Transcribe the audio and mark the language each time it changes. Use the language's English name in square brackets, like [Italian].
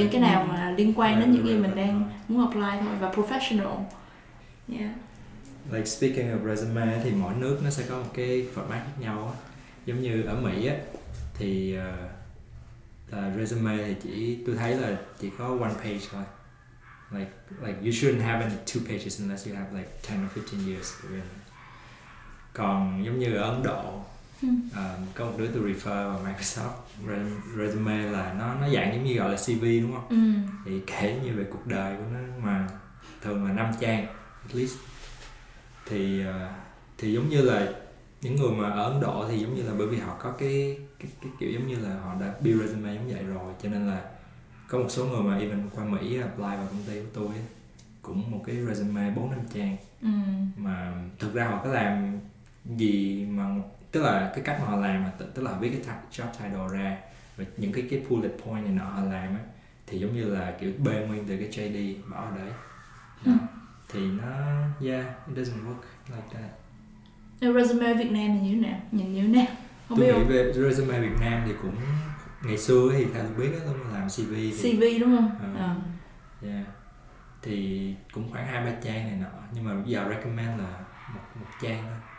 [Vietnamese] Những cái nào mà liên quan đến những gì mình đang muốn apply thôi, và professional. [English] Yeah. Like speaking of [Vietnamese] resume thì mỗi nước nó sẽ có một cái format khác nhau. Giống như ở Mỹ á thì resume thì tôi thấy là chỉ có [English] one page [Vietnamese] thôi. [English] Like you shouldn't have any two pages unless you have like 10 or 15 years experience. [Vietnamese] Còn giống như ở Ấn Độ, có một đứa tôi refer vào Microsoft resume là nó dạng giống như gọi là CV đúng không? Thì kể như về cuộc đời của nó mà thường là 5 trang [English] at least. [Vietnamese] Thì giống như là những người mà ở Ấn Độ thì giống như là bởi vì họ có cái kiểu giống như là họ đã build resume giống vậy rồi, cho nên là có một số người mà even qua Mỹ apply vào công ty của tôi cũng một cái resume 4-5 trang. Mà thực ra họ có làm gì mà tức là cái cách mà họ làm mà tức là họ viết cái job title ra và những cái bullet point này nọ họ làm ấy, thì giống như là kiểu bê nguyên từ cái JD bỏ ở đấy. Thì nó [English] it doesn't work like that. [Vietnamese] Nếu resume Việt Nam thì như thế nào? Không tôi biết nghĩ không? Về resume Việt Nam thì cũng ngày xưa thì theo tôi biết đó, tôi làm CV thì, CV đúng không? Thì cũng khoảng 2-3 trang này nọ, nhưng mà giờ recommend là một trang thôi.